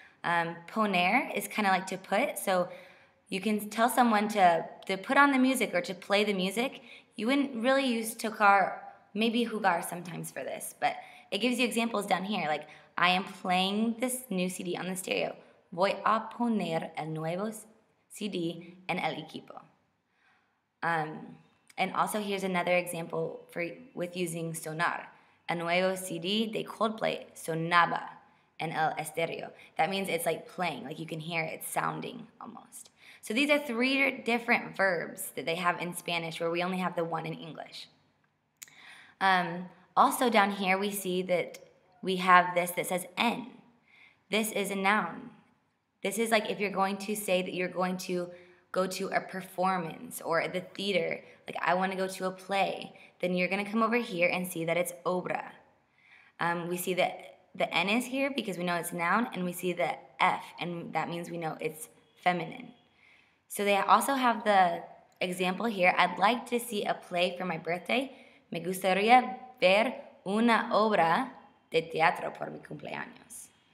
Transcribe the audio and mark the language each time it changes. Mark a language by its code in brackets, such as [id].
[en] Poner is kind of like to put, so you can tell someone to put on the music or to play the music. You wouldn't really use tocar, maybe jugar sometimes for this, but it gives you examples down here, like I am playing this new CD on the stereo. [es] Voy a poner el nuevo CD en el equipo. [en] And also here's another example with using sonar. [es] A nuevo CD de Coldplay sonaba en el estéreo. [en] That means it's like playing, like you can hear it sounding almost. So these are three different verbs that they have in Spanish where we only have the one in English. Also down here we see that we have this that says en. This is a noun. This is like if you're going to say that you're going to go to a performance or the theater, like I want to go to a play, then you're going to come over here and see that it's obra. We see that the N is here because we know it's a noun, and we see the F, and that means we know it's feminine. So they also have the example here, I'd like to see a play for my birthday. [es] Me gustaría ver una obra de teatro por mi cumpleaños.